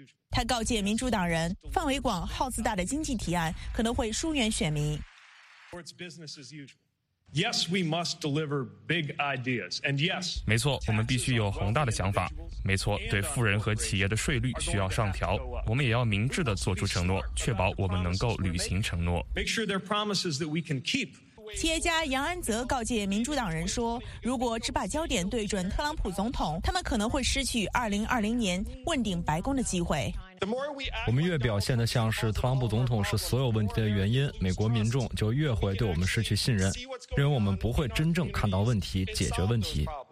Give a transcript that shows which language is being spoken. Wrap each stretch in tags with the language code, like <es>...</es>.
<zh>他告诫民主党人，范围广、耗资大的经济提案可能会疏远选民。</zh> <en>Yes, we must deliver big ideas. And yes,</en> <zh>没错，我们必须有宏大的想法。没错，对富人和企业的税率需要上调。我们也要明智地做出承诺，确保我们能够履行承诺。</zh> <en>Make sure there are promises that we can keep.</en> <zh>企业家杨安泽告诫民主党人说，如果只把焦点对准特朗普总统，他们可能会失去2020年问鼎白宫的机会。我们越表现得像是特朗普总统是所有问题的原因，美国民众就越会对我们失去信任，认为我们不会真正看到问题，解决问题。</zh>